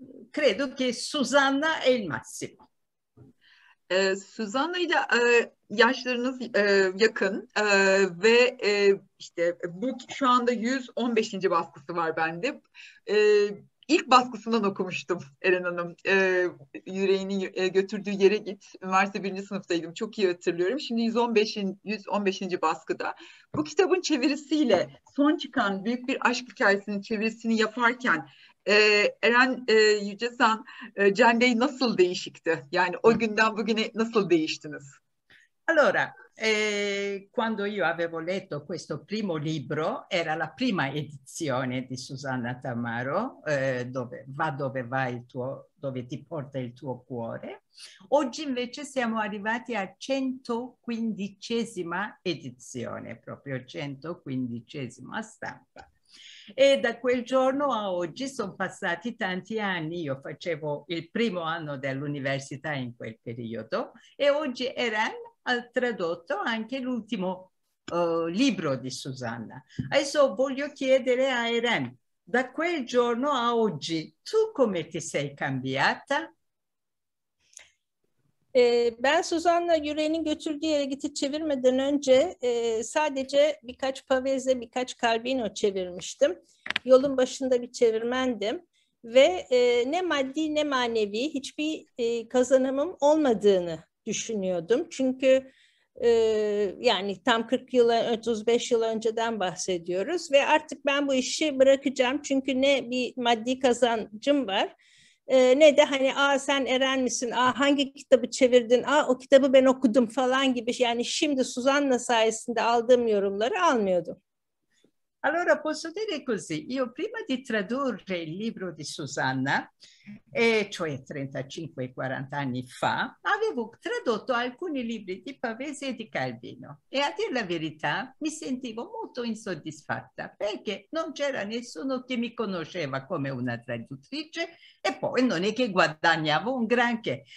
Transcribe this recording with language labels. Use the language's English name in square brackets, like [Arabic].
[Italian] Credo che Susanna è il massimo. [Turkish] Susanna ile yaşlarınız yakın ve işte bu şu anda 115. baskısı var bende. İlk baskısından okumuştum Eren Hanım. Yüreğinin götürdüğü yere git. Üniversite 1. sınıftaydım. Çok iyi hatırlıyorum. Şimdi 115. baskıda. Bu kitabın çevirisiyle, son çıkan Büyük Bir Aşk Hikayesi'nin çevirisini yaparken Eren Yücesan, Cende'yi nasıl değişikti? Yani o günden bugüne nasıl değiştiniz? [Italian] Allora, quando io avevo letto questo primo libro, era la prima edizione di Susanna Tamaro, dove va dove va il tuo, dove ti porta il tuo cuore. Oggi invece siamo arrivati a 115esima edizione, proprio 115esima stampa. E da quel giorno a oggi sono passati tanti anni, io facevo il primo anno dell'università in quel periodo e oggi Eren ha tradotto anche l'ultimo libro di Susanna. Adesso voglio chiedere a Eren, da quel giorno a oggi tu come ti sei cambiata? [Turkish] Ben Susanna Yüreğin'in götürdüğü yere gitip çevirmeden önce sadece birkaç Pavese, birkaç Calvino çevirmiştim. Yolun başında bir çevirmendim ve ne maddi ne manevi hiçbir kazanımım olmadığını düşünüyordum. Çünkü yani tam 40 yıl, 35 yıl önceden bahsediyoruz ve artık ben bu işi bırakacağım çünkü ne bir maddi kazancım var. Ne de hani sen Eren misin, hangi kitabı çevirdin, o kitabı ben okudum falan gibi, yani şimdi Susanna sayesinde aldığım yorumları almıyordum. [Italian] Allora posso dire così, io prima di tradurre il libro di Susanna, cioè 35-40 anni fa, avevo tradotto alcuni libri di Pavese e di Calvino e a dire la verità mi sentivo molto insoddisfatta perché non c'era nessuno che mi conosceva come una traduttrice e poi non è che guadagnavo un granché.